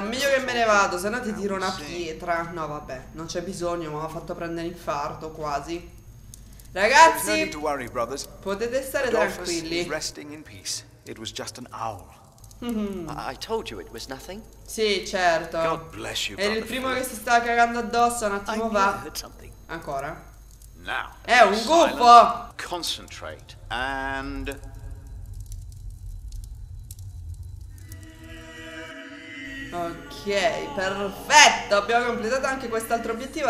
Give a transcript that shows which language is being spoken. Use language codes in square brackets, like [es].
[it] Meglio che me ne vado, sennò ti tiro una pietra. No, vabbè, non c'è bisogno, mi ha fatto prendere infarto, quasi. Ragazzi, potete stare tranquilli. [en] Resting in peace. It was just an owl. I told you it was nothing. [it] Sì, certo. [en] God bless you, [it] è il primo che si sta cagando addosso. Un attimo va. Ancora. [en] Now, [it] è un gufo. [en] Concentrate and... [it] Ok, perfetto, abbiamo completato anche quest'altro obiettivo.